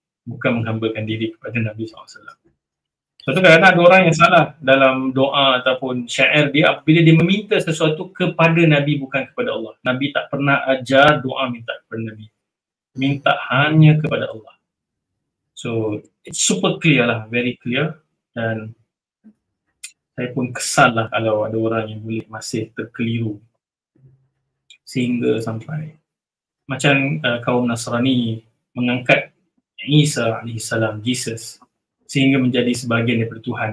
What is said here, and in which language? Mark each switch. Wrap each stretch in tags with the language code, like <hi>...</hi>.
<ms>Bukan menghambakan diri kepada Nabi SAW. Sebab tu kadang-kadang ada orang yang salah dalam doa ataupun syair dia, bila dia meminta sesuatu kepada Nabi bukan kepada Allah. Nabi tak pernah ajar doa minta kepada Nabi. Minta hanya kepada Allah.</ms> <en>So, it's super clear lah, very clear.</en> <ms>Dan saya pun kesal lah kalau ada orang yang boleh masih terkeliru sehingga sampai macam kaum Nasrani mengangkat Isa AS, Jesus, sehingga menjadi sebahagian daripada Tuhan.</ms>